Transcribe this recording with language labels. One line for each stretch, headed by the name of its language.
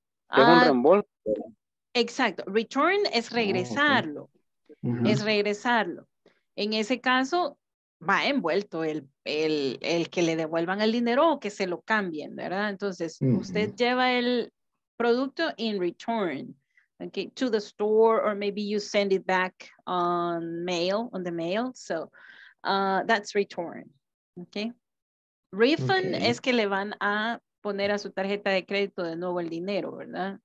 Spanish: Es un reembolso. Exacto. Return es regresarlo. Oh, okay. Mm-hmm. Es regresarlo. En ese caso, va envuelto el que le devuelvan el dinero o que se lo cambien, ¿verdad? Entonces, mm-hmm. usted lleva el producto
English: in return. Okay, to the store, or maybe you send it back on mail, on the mail. So that's return, okay? Refund okay.
Spanish: es que le van a poner a su tarjeta de crédito de nuevo el dinero, ¿verdad?